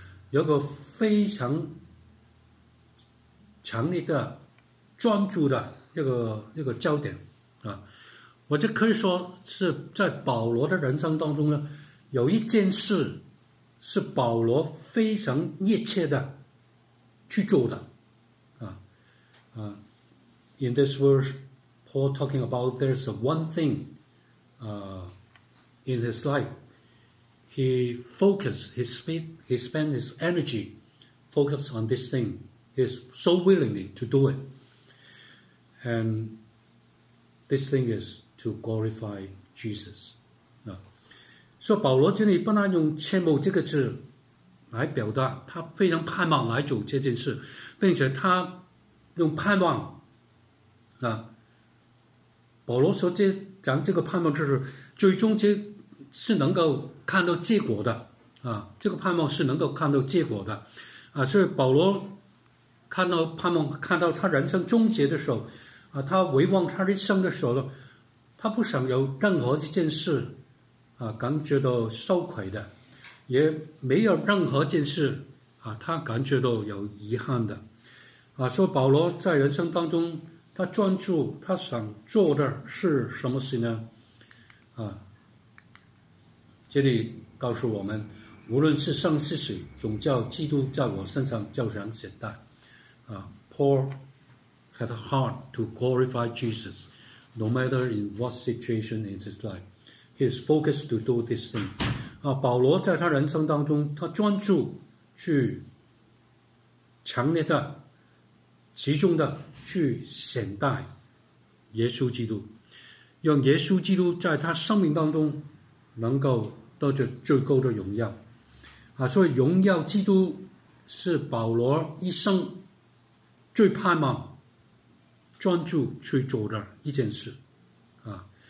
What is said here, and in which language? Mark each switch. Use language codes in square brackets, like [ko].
[zh] 有个非常强烈的专注的一个焦点啊，我就可以说是在保罗的人生当中呢，有一件事是保罗非常热切的去做的啊啊。 [en] In this verse, Paul talking about there's one thing, in his life. He focused, he spent his energy focused on this thing. He's so willingly to do it. And this thing is to glorify Jesus. So, [zh] 保罗这里不但用切慕这个字来表达他非常盼望来主这件事，并且他用盼望啊，保罗说这讲这个盼望就是最终这是能够看到结果的啊，这个盼望是能够看到结果的啊，所以保罗看到盼望，看到他人生终结的时候啊，他回望他人生的时候呢，他不想有任何一件事啊感觉到羞愧的，也没有任何件事啊他感觉到有遗憾的啊。所以保罗在人生当中他专注他想做的是什么事呢啊，这里告诉我们，无论是生是死，总叫基督在我身上叫上显大。 [en] Paul had a heart to glorify Jesus, no matter in what situation in his life. He is focused to do this thing. [zh] 保罗在他人生当中，他专注去强烈的、集中的去显大耶稣基督，让耶稣基督在他生命当中能够。到这最高的荣耀啊，所以荣耀基督是保罗一生最盼望专注去做的一件事啊。